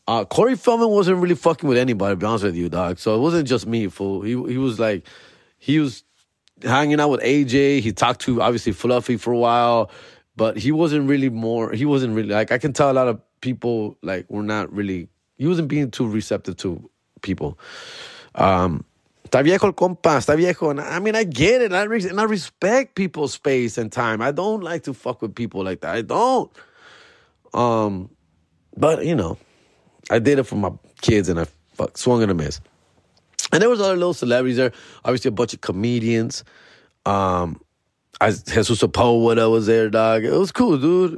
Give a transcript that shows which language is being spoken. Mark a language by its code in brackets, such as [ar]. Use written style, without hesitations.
[en] Corey Feldman wasn't really fucking with anybody, to be honest with you, dog. So it wasn't just me, fool. He was hanging out with AJ. He talked to, obviously, Fluffy for a while. But I can tell a lot of people, like, were not really... He wasn't being too receptive to people. [es] Está viejo el compa, está viejo. [en] I mean, I get it. And I respect people's space and time. I don't like to fuck with people like that. I don't. But, you know... I did it for my kids and I swung and a miss. And there was other little celebrities there. Obviously, a bunch of comedians. Jesus Sepulveda was there, dog. It was cool, dude.